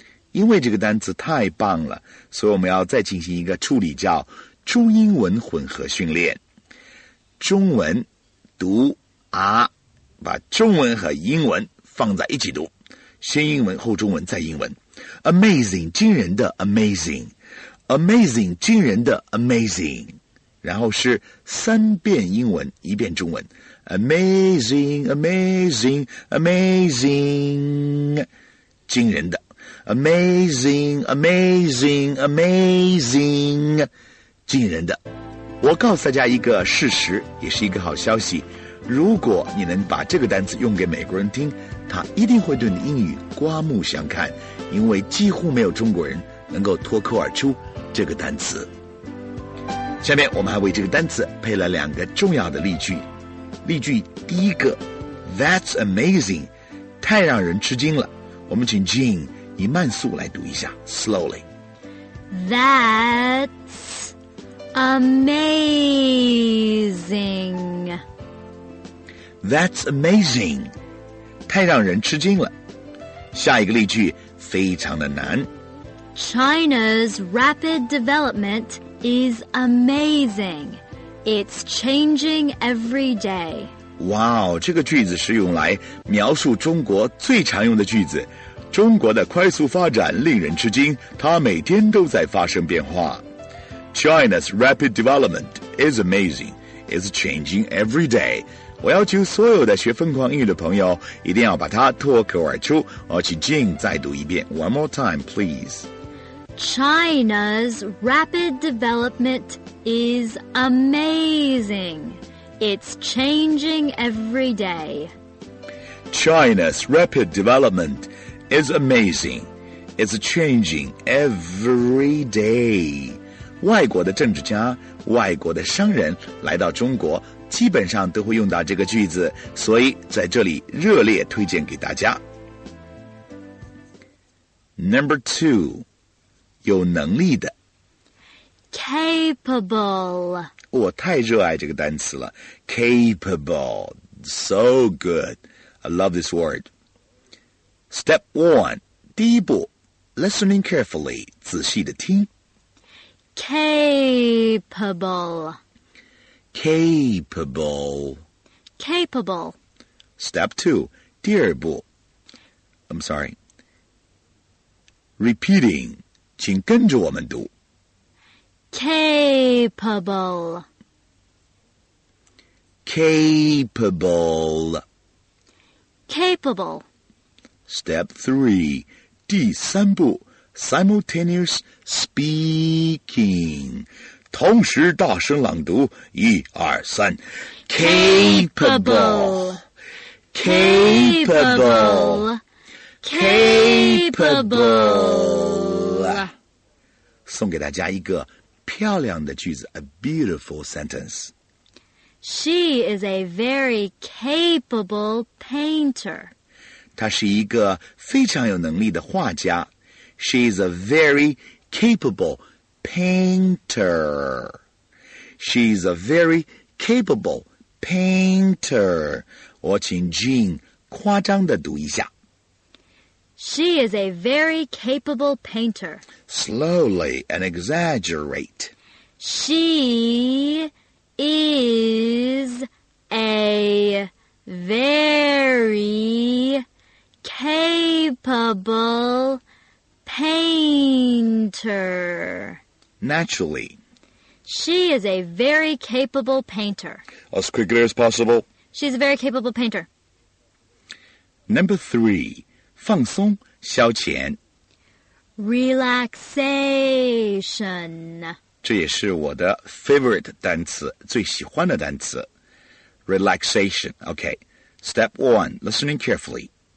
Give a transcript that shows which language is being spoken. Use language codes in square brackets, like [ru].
[zh] 因为这个单词太棒了，所以我们要再进行一个处理，叫中英文混合训练。中文读啊，把中文和英文放在一起读，先英文后中文再英文。 [en] Amazing, 惊人的 amazing. Amazing, 惊人的 amazing. [zh] 然后是三遍英文，一遍中文。 [en] Amazing, amazing, amazing. [zh] 惊人的。 [en] Amazing, amazing, amazing. [zh] 惊人的。我告诉大家一个事实，也是一个好消息。如果你能把这个单词用给美国人听，他一定会对你的英语刮目相看，因为几乎没有中国人能够脱口而出这个单词。下面我们还为这个单词配了两个重要的例句。例句第一个 [en] That's amazing， [zh] 太让人吃惊了。我们请 Jean 以慢速来读一下 [en] Slowly。 That's amazing。 That's amazing，太让人吃惊了。 [zh] 下一个例句非常的难。 [en] China's rapid development is amazing. It's changing every day. [zh] Wow， 这个句子是用来描述中国最常用的句子。中国的快速发展令人吃惊，它每天都在发生变化。 [en] China's rapid development is amazing. It's changing every day. 我要求所有的学疯狂英语的朋友一定要把它脱口而出，而且 Jean 再读一遍 One more time please。 China's rapid development is amazing. It's changing every day. China's rapid development is amazing. It's changing every day. [zh] 外国的政治家，外国的商人来到中国基本上都会用到这个句子，所以在这里热烈推荐给大家。 [en] Number two， [zh] 有能力的。 [en] Capable， [zh] 我太热爱这个单词了。 [en] Capable， so good， I love this word。 Step one， [zh] 第一步， [en] listening carefully， [zh] 仔细的听。 [en] Capable， capable, capable. Step two, [zh] 第二步 [en] I'm sorry. Repeating, [zh] 请跟着我们读 [en] capable, capable, capable. Step three, [zh] 第三步 [en] simultaneous speaking. [zh] 同时大声朗读，一二三 [en] ，capable, capable, capable。 [zh] 送给大家一个漂亮的句子 ， [en] a beautiful sentence。 She is a very capable painter。 [zh] 她是一个非常有能力的画家。 [en] She is a very capable painter. Painter. She's a very capable painter. [zh] 我请 Jean 夸张地读一下。 [en] She is a very capable painter. Slowly and exaggerate. She is a very capable painter. Naturally. She is a very capable painter. As quickly as possible. She's a very capable painter. Number three, [zh] 放松消遣 [en] Relaxation. [zh] 这也是我的 favorite 单词，最喜欢的单词 Relaxation. [en] Okay. Step one, listening carefully.